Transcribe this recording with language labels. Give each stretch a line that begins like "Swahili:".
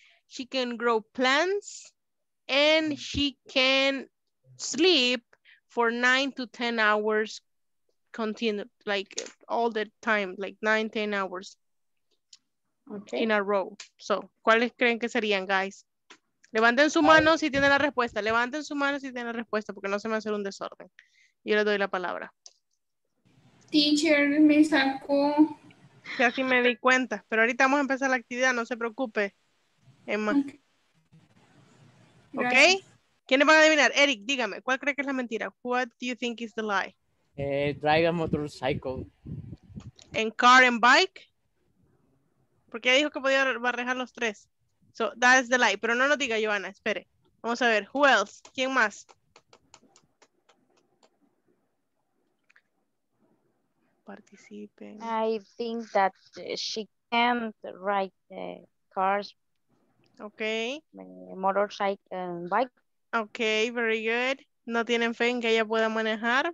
English: She can grow plants. And she can sleep for 9 to 10 hours continue, like all the time, like 9, 10 hours in a row.
Spanish: So, ¿cuáles creen que serían, guys? Levanten su mano si tienen la respuesta. Levanten su mano si tienen la respuesta, porque no se me va a hacer un desorden. Yo les doy la palabra. Teacher, me sacó. Ya sí me di cuenta, pero ahorita vamos a empezar la actividad, no se preocupe, Emma. Okay. ¿Quiénes van a adivinar? Eric, dígame, ¿cuál cree que es la mentira?
English: What do you think is the lie? Drive a motorcycle. ¿En car and bike?
Spanish: Porque ya dijo que podía barrejar los tres.
English: So, that is the lie.
Spanish: Pero no lo diga, Joana, espere. Vamos a ver,
English: who else?
Spanish: ¿Quién más? Participe.
English: I think that she can't ride the cars. Okay. Motorcycle and bike. Okay, very good.
Spanish: No tienen fe en que ella pueda manejar.